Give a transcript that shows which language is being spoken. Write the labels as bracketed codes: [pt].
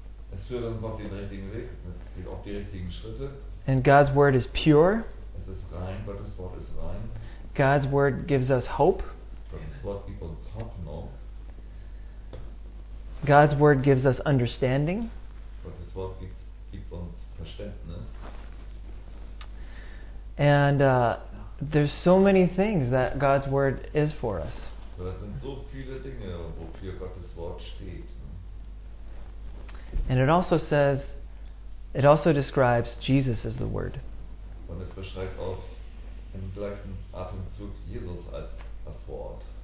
[de] Es führt uns auf den richtigen Weg, auf die richtigen Schritte. [en] And God's word is pure. [de] Es ist rein, Gottes Wort ist rein. [en] God's word gives us hope. [de] Gottes Wort gibt uns Hoffnung. [en] God's word gives us understanding. [de] Gottes Wort gibt uns Verständnis. [en] And there's so many things that God's word is for us. [de] So, das sind so viele Dinge, wofür Gottes Wort steht. [en] And it also says, it also describes Jesus as the word. [de] Und es beschreibt auch im gleichen Atemzug Jesus als Wort.